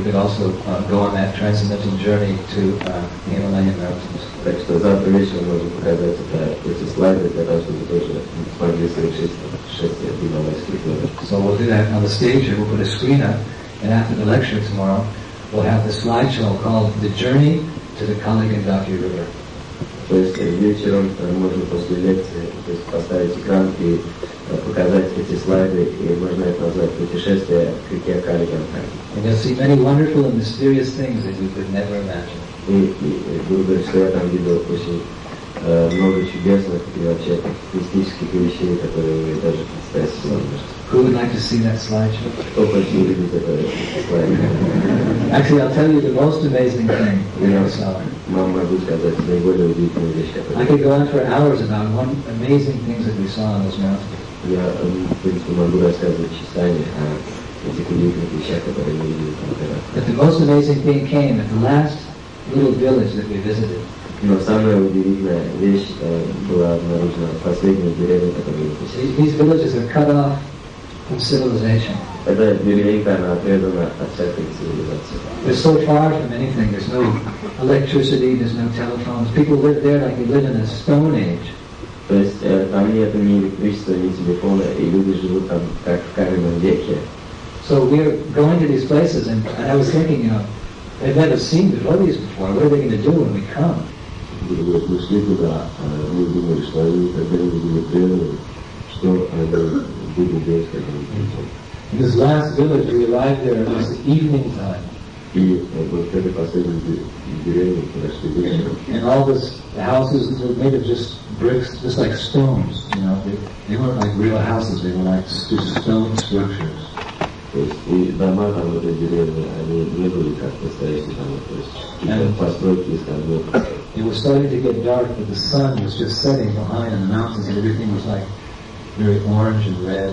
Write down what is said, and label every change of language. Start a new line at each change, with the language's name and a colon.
English: You could also go on that transcendental journey to the Himalayan mountains.
Russian: Так что завтра вечером можно показать эти слайды для того, чтобы тоже смогли совершить шествие Гималайских гор.
English: So we'll do that on the stage here. We'll put a screen up, and after the lecture tomorrow, we'll have the slideshow called "The Journey to the Kali Gandaki River."
Russian: То есть вечером можно после лекции поставить экран и показать эти слайды, и можно это назвать путешествие к реке Кали Гандаки.
English: And you'll see many wonderful and mysterious things that you could never imagine.
Russian: И что я там видел очень много чудесных и вообще мистических вещей, которые вы даже представить себе не можете.
English: Who would like to see that slideshow?
Russian: Кто хочет увидеть это слайд?
English: Actually, I'll tell you the most amazing thing that I saw.
Russian: Вам могу сказать наиболее удивительные вещи, которые...
English: I could go on for hours about one amazing things that we saw on those mountains.
Russian: Я, в принципе, могу рассказывать часами о этих удивительных вещах, которые мы видели там.
English: But the most amazing thing came at the last little village that we visited.
Russian: Но самая удивительная вещь была обнаружена в последней деревне, которую мы посетили.
English: These villages are cut off from civilization.
Russian: Эта деревенька, она отрезана от всякой цивилизации.
English: They're so far from anything. There's no electricity, there's no telephones. People live there like they live in a stone age.
Russian: То есть там нет ни электричества, ни телефона, и люди живут там как в каменном веке.
English: So we're going to these places, and I was thinking, you know, they've never seen the devotees before. What are they going to do when we come?
Russian: Мы шли туда, мы думали, что они когда-нибудь были преданы, что они будут делать, когда мы придем.
English: In this last village, we arrived there at the evening time.
Russian: И вот это последнее деревня, когда шли вечером.
English: And all the houses were made of just bricks, just like stones, you know. They weren't like real houses, they were like just stone structures.
Russian: То есть и дома там в этой деревне, они не были как настоящие дома, то есть какие-то постройки из камней.
English: It was starting to get dark, but the sun was just setting behind the mountains, and everything was like very orange and red.